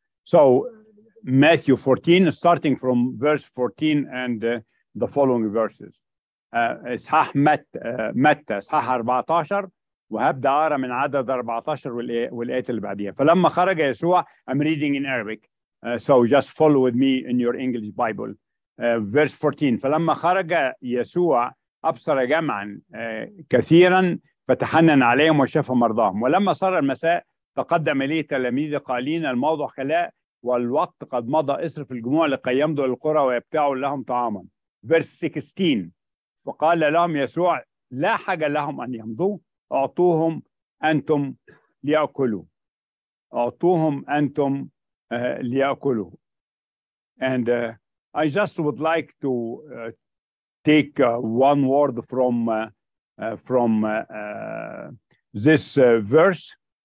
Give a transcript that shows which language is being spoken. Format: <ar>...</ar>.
<en>So Matthew 14, starting from verse 14 and the following verses.</en> <ar>إصحاح متى إصحاح 14 وهبدأ أقرأ من عدد 14 والآيات اللي بعديها. فلما خرج يسوع,</ar> <en>I'm reading in Arabic, so just follow with me in your English Bible. Verse 14,</en> <ar>فلما خرج يسوع أبصر جمعا كثيرا فتحنن عليهم وشفى مرضاهم. ولما صار المساء تقدم إليه تلاميذه قائلين الموضوع خلاء والوقت قد مضى, اصرف الجموع لكي يمضوا القرى ويبتاعوا لهم طعاما.</ar> <en>Verse 16,</en> <ar>فقال لهم يسوع لا حاجة لهم أن يمضوا, أعطوهم أنتم ليأكلوا. أعطوهم أنتم ليأكلوا.</ar> <en>And I just would like to take one word from this verse.</en>